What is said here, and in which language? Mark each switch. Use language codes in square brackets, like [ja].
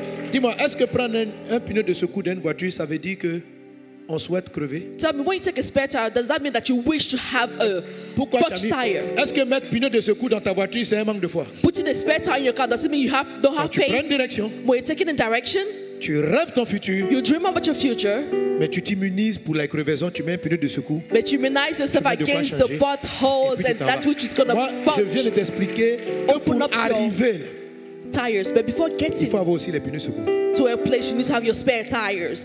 [fr] Dis-moi, est-ce que prendre un pneu de secours d'une voiture, ça veut dire que on souhaite crever? [en] Tell me, when you take a spare tire, does that mean that you wish to have a [fr] pourquoi [en] punched tire? [fr] Est-ce que mettre pneu de secours dans ta voiture, c'est un manque de foi? [en] Putting a spare tire in your car, does it mean you have don't [fr] quand [en] have faith? [fr] Tu prends une direction. [en] When you're taking a direction. [fr] Tu rêves ton futur. [en] You dream about your future. [fr] Mais tu t'immunises pour la crevaison, tu mets un pneu de secours. [en] But you immunize yourself against the potholes and that which is going to pop. [fr] Je viens de t'expliquer que pour arriver. [en] Tires, but before getting [fr] il faut avoir aussi les pneus secours. [en] To a place, you need to have your spare tires.